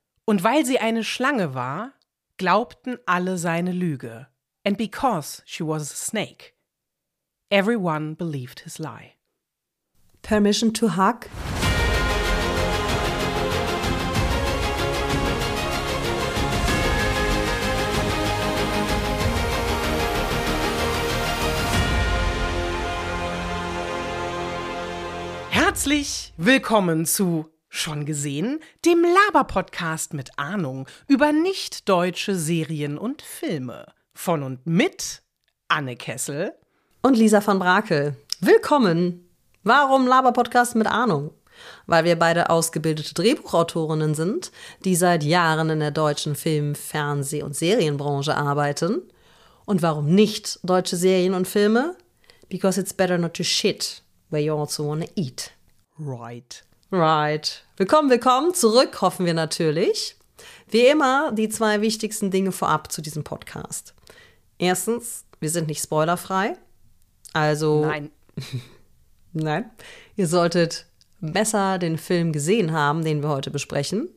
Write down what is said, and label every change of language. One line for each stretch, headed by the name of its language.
German: Und weil sie eine Schlange war, glaubten alle seine Lüge.
English: And because she was a snake, everyone believed his lie. Permission to hug?
German: Herzlich willkommen zu Schon gesehen, dem Laber-Podcast mit Ahnung über nicht-deutsche Serien und Filme. Von und mit Anne Kessel und Lisa von Brakel. Willkommen! Warum Laber-Podcast mit Ahnung? Weil wir beide ausgebildete Drehbuchautorinnen sind, die seit Jahren in der deutschen Film-, Fernseh- und Serienbranche arbeiten. Und warum nicht deutsche Serien und Filme?
English: Because it's better not to shit where you also wanna eat. Right. Right.
German: Willkommen, willkommen. Zurück hoffen wir natürlich. Wie immer die zwei wichtigsten Dinge vorab zu diesem Podcast. Erstens, wir sind nicht spoilerfrei. Also nein. Nein. Ihr solltet besser den Film gesehen haben, den wir heute besprechen.